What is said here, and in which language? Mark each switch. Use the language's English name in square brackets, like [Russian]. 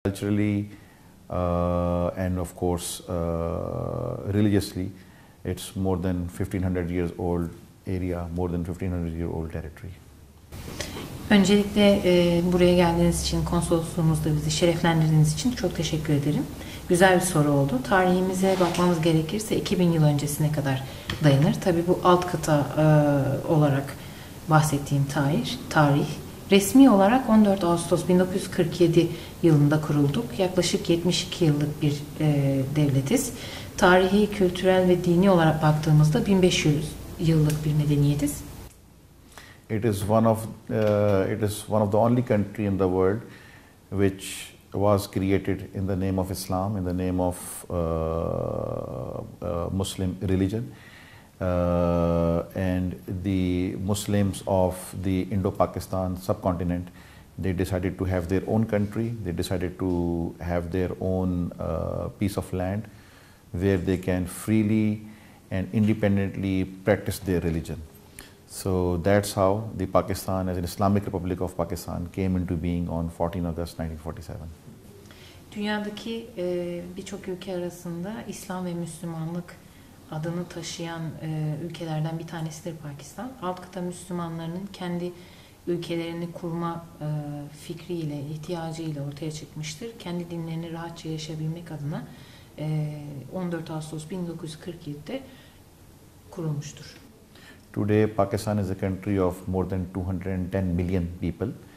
[English] culturally and of course religiously, it's more than 1500 years old area, more than 1500 year old territory. [Turkish] Öncelikle buraya geldiğiniz için, konsolosluğumuzda bizi şereflendirdiğiniz için çok teşekkür ederim. Güzel bir soru oldu. Tarihimize bakmamız gerekirse 2000 yıl öncesine kadar dayanır. Tabii bu alt kata olarak bahsettiğim tarih. Resmi olarak 14 Ağustos 1947 yılında kurulduk. Yaklaşık 72 yıllık bir devletiz. Tarihi, kültürel ve dini olarak baktığımızda 1500 yıllık bir medeniyetiz. [English] It is one of the only country in the world which was created in the name of Islam, in the name of Muslim religion, and the Muslims of the Indo-Pakistan subcontinent, they decided to have their own country, they decided to have their own piece of land where they can freely and independently practice their religion. So that's how the Pakistan as an Islamic Republic of Pakistan came into being on 14 August 1947. [Turkish] Dünyadaki birçok ülke arasında İslam ve Müslümanlık adını taşıyan ülkelerden bir tanesidir Pakistan. Alt kıta Müslümanlarının kendi ülkelerini kurma fikriyle, ihtiyacıyla ortaya çıkmıştır. Kendi dinlerini rahatça yaşayabilmek adına 14 Ağustos 1947'de kurulmuştur. [English] Today, Pakistan is a country of more than 210 million people.